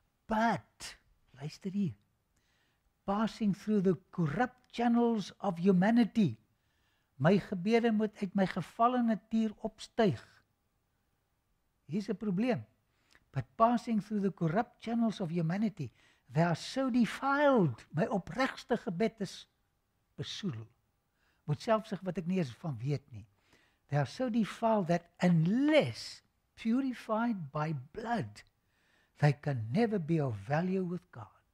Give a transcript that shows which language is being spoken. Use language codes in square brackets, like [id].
[af] But, luister hier, [en] passing through the corrupt channels of humanity, [af] my gebede moet uit my gevalle natuur opstyg. Hier's 'n probleem. [en] But passing through the corrupt channels of humanity, they are so defiled. [af] My opregste gebed is besoedel. Moet selfs sê wat ek nie eens van weet nie. [en] They are so defiled that unless purified by blood, they can never be of value with God.